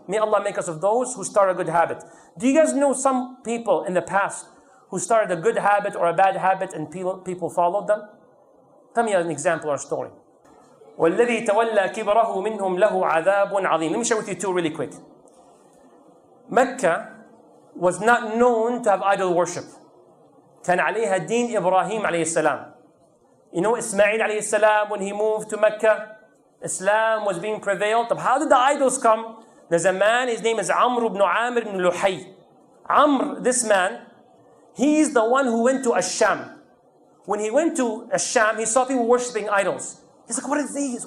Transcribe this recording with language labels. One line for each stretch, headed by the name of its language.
English: May Allah make us of those who start a good habit. Do you guys know some people in the past who started a good habit or a bad habit and people followed them? Tell me an example or a story.
Arabic: وَالَّذِي تَوَلَّى كِبْرَهُ مِنْهُمْ لَهُ عَذَابٌ عَظِيمٌ.
English: Let me share with you two really quick. Mecca was not known to have idol worship.
Arabic: كان عليها دين إبراهيم عليه السلام.
English: You know Ismail عليه السلام, when he moved to Mecca, Islam was being prevailed. But how did the idols come? There's a man, his name is Amr ibn Amir ibn Luhay. Amr, this man, he's the one who went to Asham. When he went to Asham, he saw people worshipping idols. He's like, what are these?